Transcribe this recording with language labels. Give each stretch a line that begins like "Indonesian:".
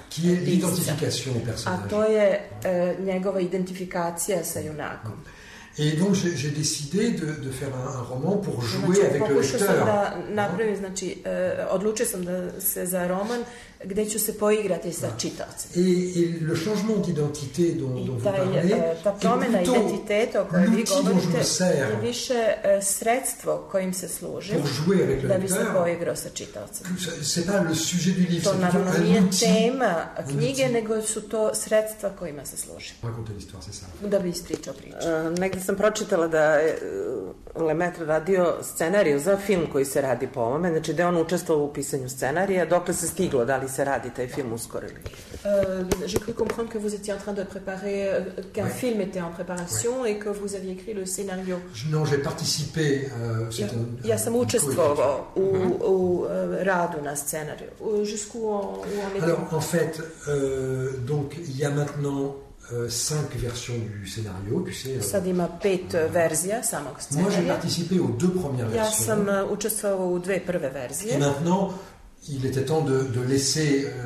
French: qui est l'identification au personnage,
Serbian: a to je njegova identifikacija sa junakom.
French: Et donc j'ai décidé de faire un roman pour jouer,
Serbian: znači,
French: avec le lecteur.
Serbian: Da napravim, hein? Znači, odlučio sam da se za roman gdje ću se poigrati sa čitaocem.
French: Et le changement d'identité dont vous parlez,
Serbian: ta promjena identiteta o kojoj vi govorite,
French: sert,
Serbian: je više sredstvo kojim se služim da bi se poigrao sa čitaocem.
French: C'est pas le sujet du livre,
Serbian: to naravno nije tema knjige, nego su to sredstva kojima se služim. Da bi ispričao priču. Negdje sam pročitala da je Lemaitre radio scenariju za film koji se radi po ovome, znači da je on učestvovao u pisanju scenarija, dokle se stiglo, da li se radi taj film uskoro ili?
French: J'ai cru comprendre que vous étiez en train de préparer, qu'un film était en préparation et que vous aviez écrit le scénario. Non, j'ai participé.
Serbian: Ja sam učestvovao u radu na scenariju.
French: Jusqu'où on est? Alors, en fait, donc, il y a maintenant 5 versions du scénario, tu sais.
Serbian: Sad ima 5 verzija samog scénarija.
French: Moi, j'ai participé aux 2 premières versions.
Serbian: Ja sam učestvovao u dvije prve verzije.
French: Et maintenant, il était temps de laisser